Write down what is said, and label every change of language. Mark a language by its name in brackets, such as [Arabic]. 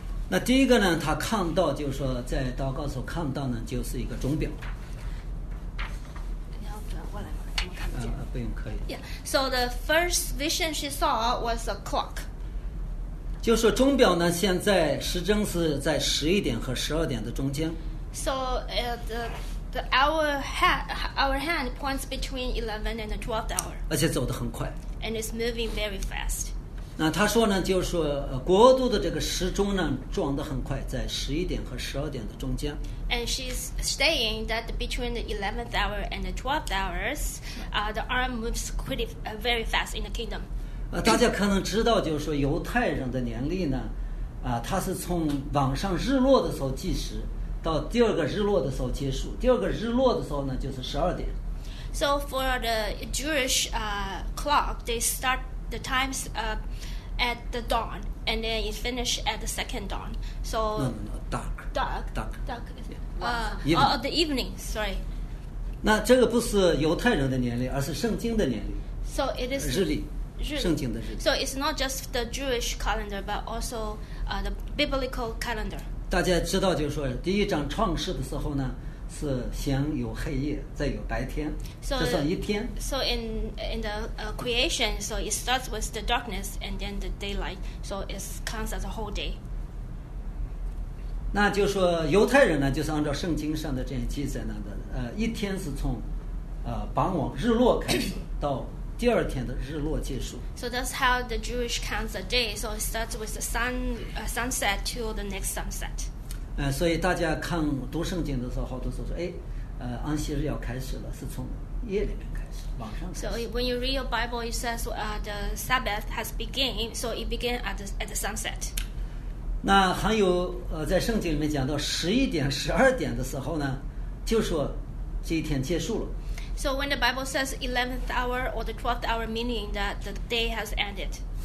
[Chinese] 那第一个呢，她看到就是说，在祷告时候看到呢，就是一个钟表。你要转过来吗？怎么看不见？不用，可以。 [English] Yeah. So the first vision she saw was a clock. [Chinese] 就是钟表呢，现在时针是在11点和12点的中间。 [English] So, the our hand points between 11 and 12 hours. [Chinese] 而且走得很快。 [English] And it's moving very fast. [Chinese] 那他说呢，就是国度的这个时钟呢，转得很快，在11点和12点的中间。 [English] And she's saying that between the 11th hour and 12th hours, the arm moves pretty, very fast in the kingdom. [Chinese] 大家可能知道，就是说犹太人的年历呢，他是从晚上日落的时候计时，到第二个日落的时候结束。第二个日落的时候呢，就是12点。 [English] So for the Jewish clock, they start the times at the dawn, and then it finish at the second dawn. So dark. Or the evening. Sorry. [Chinese] 那这个不是犹太人的年历，而是圣经的年历。 [English] So it is [Chinese] 日历。圣经的日历。 [English] So it's not just the Jewish calendar, but also the biblical calendar. [Chinese] 大家知道，就是说，第一章创世的时候呢，是先有黑夜，再有白天，这算一天。 [English] So in the creation, so it starts with the darkness and then the daylight. So it counts as a whole day. [Chinese] 那就说犹太人呢，就是按照圣经上的这样记载呢的，一天是从傍晚日落开始到。第二天的日落结束。 [English] So that's how the Jewish counts the day. So it starts with the sunset till the next sunset. [Chinese] 所以大家看读圣经的时候，好多时候说，哎，安息日要开始了，是从夜里面开始，晚上开始。 [English] So when you read your Bible, it says, the Sabbath has begun. So it began at the sunset. [Chinese] 那还有在圣经里面讲到11点、12点的时候呢，就说这一天结束了。 [English] So when the Bible says 11th hour or the 12th hour, meaning that the day has ended.